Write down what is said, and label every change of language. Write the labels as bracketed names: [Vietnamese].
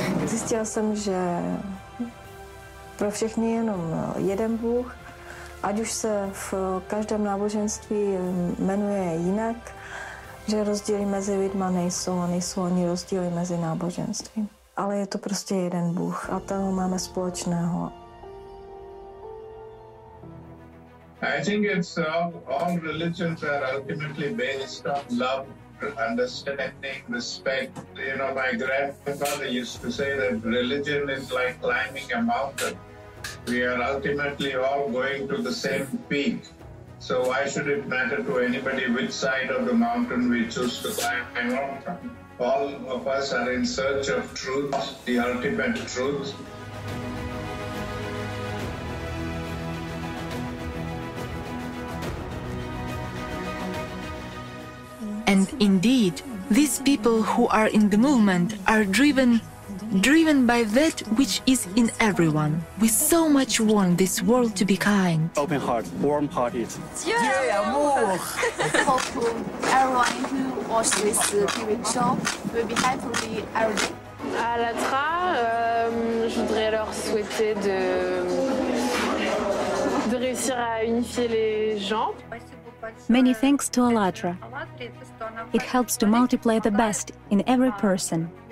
[Czech] Zjistila jsem, že pro všechny jenom jeden Bůh, ať už se v každém náboženství jmenuje jinak. Že rozdíly mezi lidma nejsou a nejsou ani rozdíly mezi náboženstvím. Ale je to prostě jeden Bůh a toho máme společného. [English] I think it's all religions are ultimately based on love, understanding, respect. You know, my grandfather used to say that religion is like climbing a mountain. We are ultimately all going to the same peak. So why should it matter to anybody which side of the mountain we choose to climb on? All of us are in search of truth, the ultimate truth. And indeed, these people who are in the movement are driven by that which is in everyone. We so much want this world to be kind. Open heart, warm hearted. Yeah, move! Hope everyone who watched this TV show will be happy and everyday. [French] À Alatra, je voudrais leur souhaiter de réussir à unifier les gens. [English] Many thanks to Alatra. It helps to multiply the best in every person.